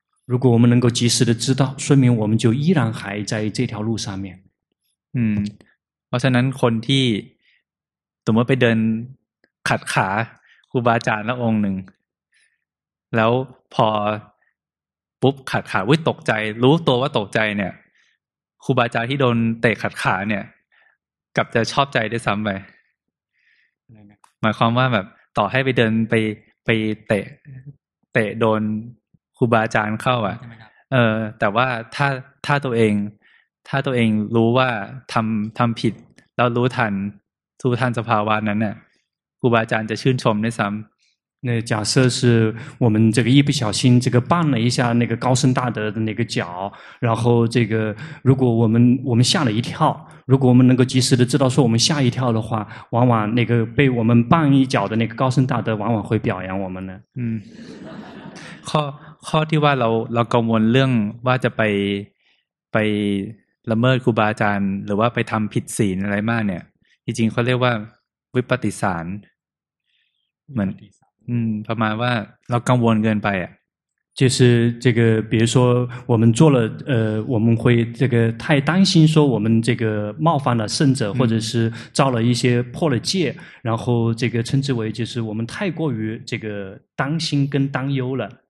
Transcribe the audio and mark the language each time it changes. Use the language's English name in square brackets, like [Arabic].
[Chinese] 如果我们能够及时的知道说明我们就依然还在这条路上面 [Thai] เพราะฉะนั้นคนที่สมมติไปเดินขัดขาครูบาอาจารย์ละองค์หนึ่งแล้วพอปุ๊บขัดขาวิ่งตกใจรู้ตัวว่าตกใจเนี่ยครูบาอาจารย์ที่โดนเตะขัดขาเนี่ยกลับจะชอบใจได้ซ้ำไป หมายความว่าแบบต่อให้ไปเดินไปเตะโดนครูบาอาจารย์เข้าอ่ะแต่ว่าถ้าตัวเองรู้ว่าทำผิดแล้วรู้ทันสภาวะนั้นเนี่ยครูบาอาจารย์จะชื่นชมได้ซ้ำ [Chinese] 那假设是我们这个一不小心这个绊了一下那个高僧大德的那个脚然后这个如果我们吓了一跳如果我们能够及时的知道说我们吓一跳的话往往那个被我们绊一脚的那个高僧大德往往会表扬我们呢 [Thai] 嗯ข้อที่ว่าเรากังวลเรื่องว่าจะไปละเมิดครูบาอาจารย์หรือว่าไปทำผิดศีลอะไรมากเนี่ยจริงๆเขาเรียกว่า วิปฏิสารเหมือนประมาณว่าเรากังวลเกินไปอ่ะ [Chinese] 就是这个比如说我们做了我们会这个太担心说我们这个冒犯了圣者或者是造了一些破了戒然后这个称之为就是我们太过于这个担心跟担忧了